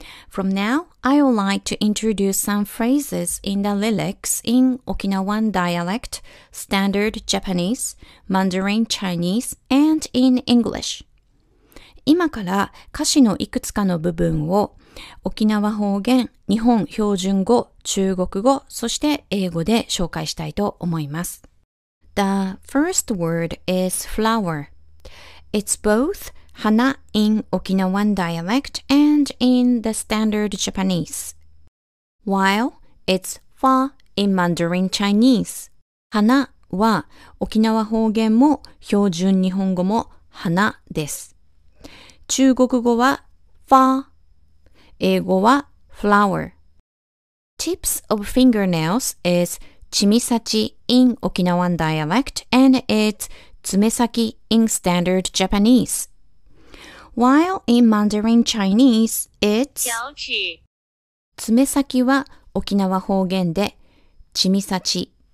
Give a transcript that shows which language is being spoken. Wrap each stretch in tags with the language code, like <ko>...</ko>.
<en>From now, I would like to introduce some phrases in the lyrics in Okinawan dialect, standard Japanese, Mandarin Chinese, and in English.</en> <ja>今から歌詞のいくつかの部分を沖縄方言、日本標準語、中国語、そして英語で紹介したいと思います。</ja> <en>The first word is flower. It's both花 in Okinawan dialect and in the standard Japanese. While it's fa in Mandarin Chinese.</en> <ja>花は沖縄方言も標準日本語も花です。中国語は fa。英語は flower。</ja> <en>Tips of fingernails is ちみさち in Okinawan dialect and it's つめさき in standard Japanese. While in Mandarin Chinese, it's</en> <zh>小指。</zh> <ja>爪先は沖縄方言で、ちみさち。</ja>